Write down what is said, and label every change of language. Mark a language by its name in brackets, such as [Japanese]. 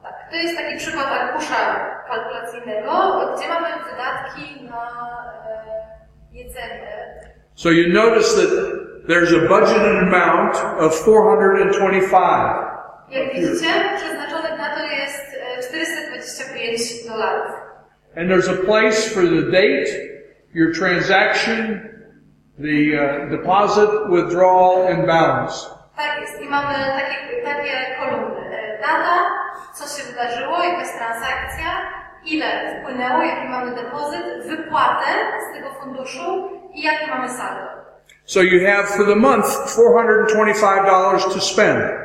[Polish] To jest taki przykład arkusza kalkulacyjnego, gdzie mamy wydatki na jedzenie. [English] So you notice that there's a budgeted amount of 425. [Polish] Jak widzicie, przeznaczone na to jest $425. [English] And there's a place for the date, your transaction, the deposit, withdrawal, and balance. [Polish] Tak jest. I mamy takie kolumny. Data, co się wydarzyło, jaka jest transakcja, ile wpłynęło, jaki mamy depozyt, wypłatę z tego funduszu i jaki mamy saldo. [English] So you have for the month $425 to spend.